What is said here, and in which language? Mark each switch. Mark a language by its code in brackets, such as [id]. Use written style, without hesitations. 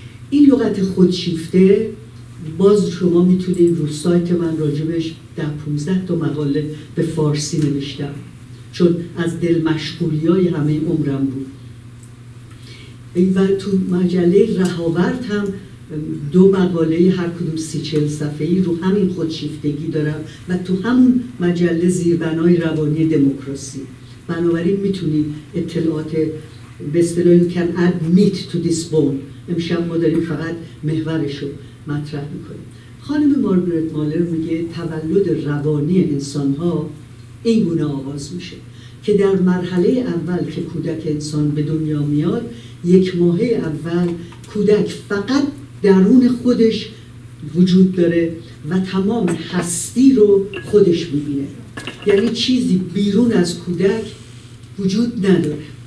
[fa] این لغت خودشیفته باز شما میتونید رو سایت من راجبش 10-15 تا مقاله به فارسی نوشتم، چون از دل مشغولی های همه عمرم بود. این بر تو مجله رهاورد هم دو مقاله هر کدوم 30-40 صفحه‌ای رو همین خودشیفتگی دارم و تو همون مجله زیربنای روانی دموکراسی. بنابراین میتونیم اطلاعات به اصطلاح [en] you can add meat to this bone. [fa] امشب ما داریم فقط محورش رو مطرح میکنیم. خانم مارگریت مالر میگه تولد روانی انسان‌ها این گونه آغاز میشه که در مرحله اول که کودک انسان به دنیا میاد، یک ماه اول کودک فقط درون خودش وجود داره و تمام هستی رو خودش میبینه، یعنی چیزی بیرون از کودک وجود نداره.